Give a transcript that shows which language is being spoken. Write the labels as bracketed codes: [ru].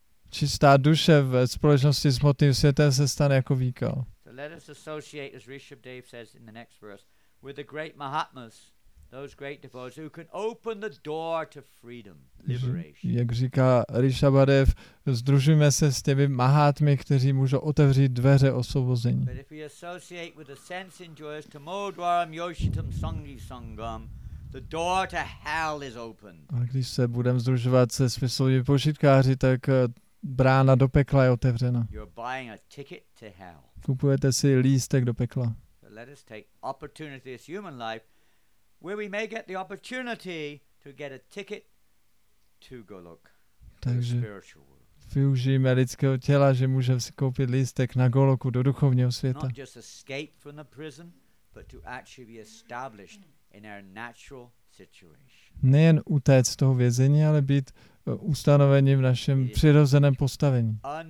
[cs] Čistá duše v společnosti s hmotným světem se stane jako výkal. [en] Let us associate, as Rishabh Dev says in the next verse, with the great Mahatmas, those great devotees who can open the door to freedom, liberation. [cs] Jak říká Rishabh Dev, združujeme se s těmi Mahatmy, kteří můžou otevřít dveře osvobození. [en] But if we associate with the sense enjoyers, [sa] tamodvaram yoshitam sangi sangam, [en] the door to hell is open. [cs] A když se budeme združovat se smyslovými požitkáři, tak brána do pekla je otevřena. [en] You're buying a ticket to hell. [cs] Kupujete si lístek do pekla. [en] Let us take opportunity this human life where we may get the opportunity to get a ticket to Golok. [cs] Takže využijeme lidského těla, že můžeme si koupit lístek na Goloku do duchovního světa. [en] Not just escape from the prison, but to actually be established in our natural situation. [cs] Nejen utéct z toho vězení, ale být ustanovení v našem přirozeném postavení.